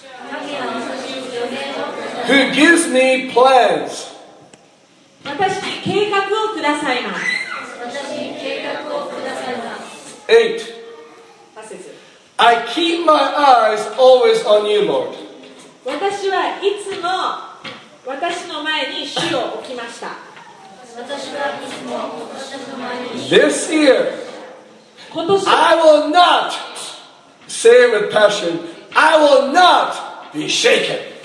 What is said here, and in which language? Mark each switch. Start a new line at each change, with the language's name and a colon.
Japanese: 神は私に助言をくださいます。
English: Who gives me plans?
Japanese: 私に計画をくださいます。私に計画をくださいます。 8.
English: I keep my eyes always on you, Lord.
Japanese: 私はいつも私の前に主を置きました。私はいつも私の前に主を置きました。
English: This year,
Japanese: 今年、
English: I will not. Say it with passion. I will not be shaken.